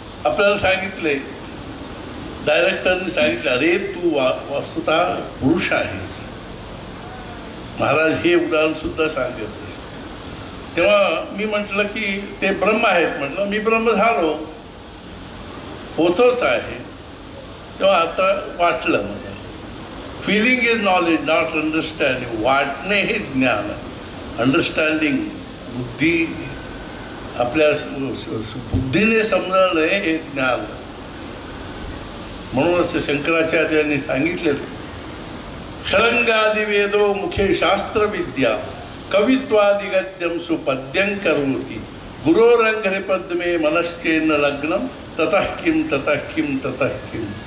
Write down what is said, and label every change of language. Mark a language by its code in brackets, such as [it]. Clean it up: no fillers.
[mr] आपल्याला सांगितले, डायरेक्टरने सांगितले, अरे तू वस्तुतः पुरुष आहेस. महाराज हे उदाहरण सुद्धा सांगत तेव्हा मी म्हटलं की ते ब्रह्म आहेत. म्हटलं मी ब्रह्म झालो, होतोच आहे. तेव्हा आता वाटलं मला. [en] Feeling is knowledge not understanding. [mr] वाटणे हे ज्ञान, अंडरस्टँडिंग बुद्धी आपल्या बुद्धीने समजणं हे ज्ञान. म्हणूनच शंकराचार्यांनी सांगितलेलं, [sa] षडंगादी वेदो मुख्य शास्त्र विद्या कवित्वादिगद्यं सुपद्यं करोति गुरोरंगरे पद्मे मनश्चेन लग्नं ततः किं ततः किं ततः किं.